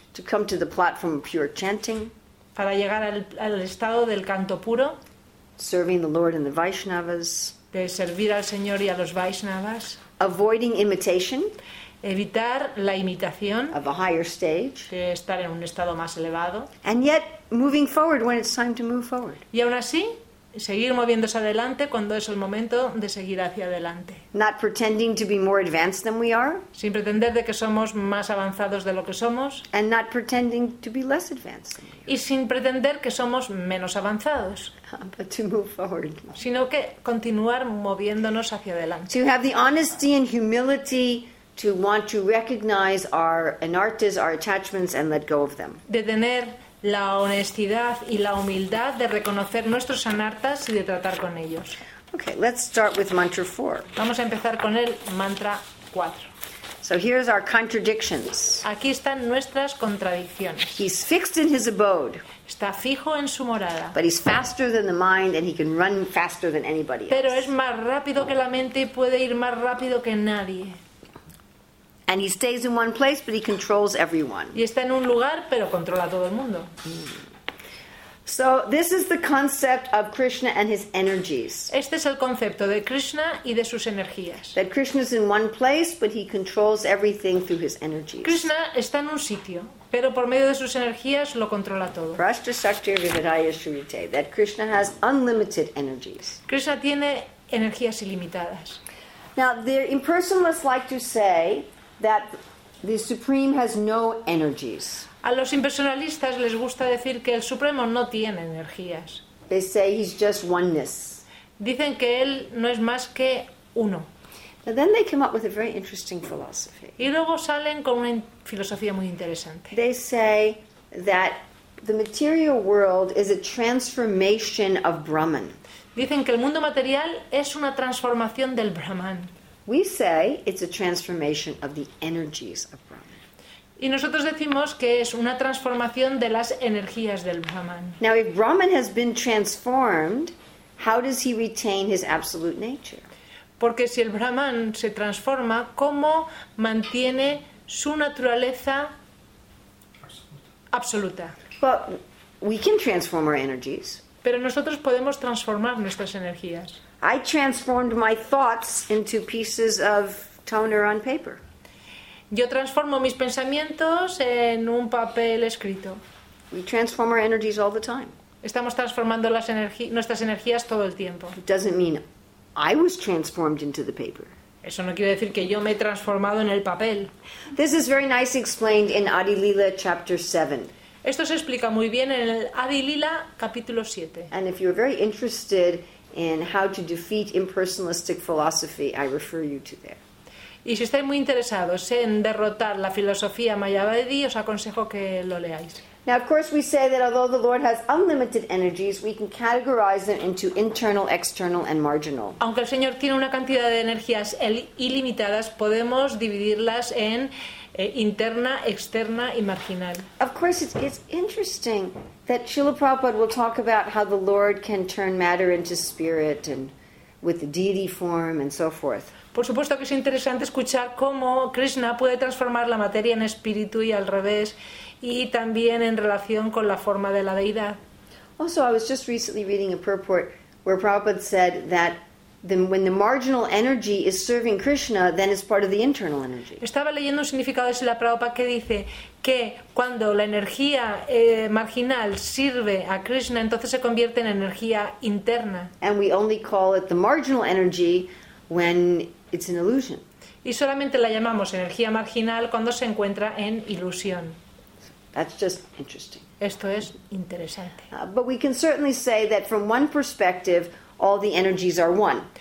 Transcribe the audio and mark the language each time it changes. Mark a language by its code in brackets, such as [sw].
[en] To come to the platform of pure chanting. [es] Para llegar al estado del canto puro. [en] Serving the Lord and the Vaishnavas. [es] De servir al Señor y a los Vaishnavas. [en] Avoiding imitation. [es] Evitar la imitación. [en] Of a higher stage. [es] De estar en un estado más elevado. [en] And yet moving forward when it's time to move forward. [es] Y aún así, seguir moviéndose adelante cuando es el momento de seguir hacia adelante. [en] Not pretending to be more advanced than we are. [es] Sin pretender de que somos más avanzados de lo que somos. [en] And not pretending to be less advanced than we are. [es] Y sin pretender que somos menos avanzados. [en] But to move forward. [es] Sino que continuar moviéndonos hacia adelante. [en] To have the honesty and humility to want to recognize our anartas, our attachments, and let go of them. [es] De tener la honestidad y la humildad de reconocer nuestros anartas y de tratar con ellos. [en] Okay, let's start with mantra 4. [es] Vamos a empezar con el mantra 4. [en] So here's our contradictions. [es] Aquí están nuestras contradicciones. [en] He's fixed in his abode. [es] Está fijo en su morada. [en] But he's faster than the mind and he can run faster than anybody else. [es] Pero es más rápido que la mente y puede ir más rápido que nadie. [en] And he stays in one place, but he controls everyone. [es] Y está en un lugar, pero controla a todo el mundo. [en] So this is the concept of Krishna and his energies. [es] Este es el concepto de Krishna y de sus energías. [en] That Krishna is in one place, but he controls everything through his energies. [es] Krishna está en un sitio, pero por medio de sus energías lo controla todo. [sa] Prashta Shakti Vividaya Shrute, [en] that Krishna has unlimited energies. [es] Krishna tiene energías ilimitadas. [en] Now, the impersonalists like to say that the Supreme has no energies. [es] A los impersonalistas les gusta decir que el Supremo no tiene energías. [en] They say he's just oneness. [es] Dicen que él no es más que uno. [en] But then they come up with a very interesting philosophy. [es] Y luego salen con una filosofía muy interesante. [en] They say that the material world is a transformation of Brahman. [es] Dicen que el mundo material es una transformación del Brahman. [en] We say it's a transformation of the energies of Brahman. [es] Y nosotros decimos que es una transformación de las energías del Brahman. [en] Now, if Brahman has been transformed, how does he retain his absolute nature? [es] Porque si el Brahman se transforma, ¿cómo mantiene su naturaleza absoluta? [en] Well, we can transform our energies. [es] Pero nosotros podemos transformar nuestras energías. [en] I transformed my thoughts into pieces of toner on paper. [es] Yo transformo mis pensamientos en un papel escrito. [en] We transform our energies all the time. [es] Estamos transformando nuestras energías todo el tiempo. [en] It doesn't mean I was transformed into the paper. [es] Eso no quiere decir que yo me he transformado en el papel. [en] This is very nicely explained in Adi Lila chapter 7. [es] Esto se explica muy bien en el Adi Lila capítulo 7. [en] And if you're very interested in how to defeat impersonalistic philosophy, I refer you to there. [es] Y si estáis muy interesados en derrotar la filosofía mayavadi, os aconsejo que lo leáis. [en] Now, of course, we say that although the Lord has unlimited energies, we can categorize them into internal, external, and marginal. [es] Aunque el Señor tiene una cantidad de energías ilimitadas, podemos dividirlas en interna, externa y marginal. [en] Of course, it's interesting that Srila Prabhupada will talk about how the Lord can turn matter into spirit and with the deity form and so forth. [es] Por supuesto que es interesante escuchar cómo Krishna puede transformar la materia en espíritu y al revés, y también en relación con la forma de la deidad. [en] Also, I was just recently reading a purport where Prabhupada said that when the marginal energy is serving Krishna, then it's part of the internal energy. [es] Estaba leyendo un significado de Srila Prabhupada que dice que cuando la energía marginal sirve a Krishna, entonces se convierte en energía interna. [en] And we only call it the marginal energy when it's an illusion. [es] Y solamente la llamamos energía marginal cuando se encuentra en ilusión. [en] That's just interesting. [es] Esto es interesante. [en] But we can certainly say that from one perspective, all the energies are one.